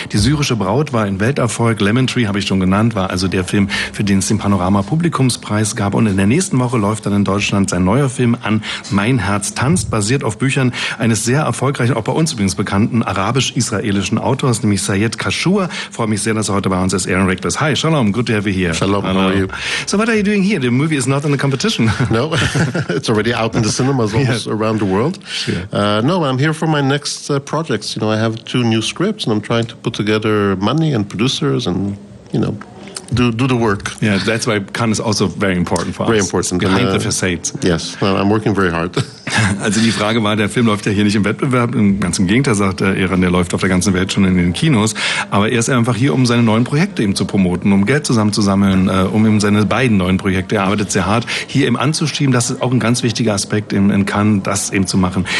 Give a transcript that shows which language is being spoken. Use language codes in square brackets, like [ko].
[de] Die syrische Braut war ein Welterfolg, Lemon Tree habe ich schon genannt, war also der Film, für den es den Panorama-Publikumspreis gab und in der nächsten Woche läuft dann in Deutschland sein neuer Film an, Mein Herz tanzt, basiert auf Büchern eines sehr erfolgreichen, auch bei uns übrigens bekannten, arabisch-israelischen Autors, nämlich Syed Kashour. Freue mich sehr, dass er heute bei uns ist, Aaron Reckless. [en] Hi, Shalom, good to have you here. Shalom, hello. How are you? So what are you doing here? The movie is not in the competition. No, it's already out in the cinemas almost around the world. No, I'm here for my next projects. You know, I have 2 new scripts and I'm trying to put together money and producers and, you know, Do the work. Yeah, that's why Cannes is also very important for us. Very important. Behind the facades. Yes, well, I'm working very hard. [de] Also die Frage war, der Film läuft ja hier nicht im Wettbewerb, ganz im Gegenteil, sagt Eran, der läuft auf der ganzen Welt schon in den Kinos, aber er ist einfach hier, um seine neuen Projekte eben zu promoten, um Geld zusammenzusammeln, um eben seine beiden neuen Projekte, er arbeitet sehr hart, hier eben anzuschieben, das ist auch ein ganz wichtiger Aspekt in Cannes, das eben zu machen.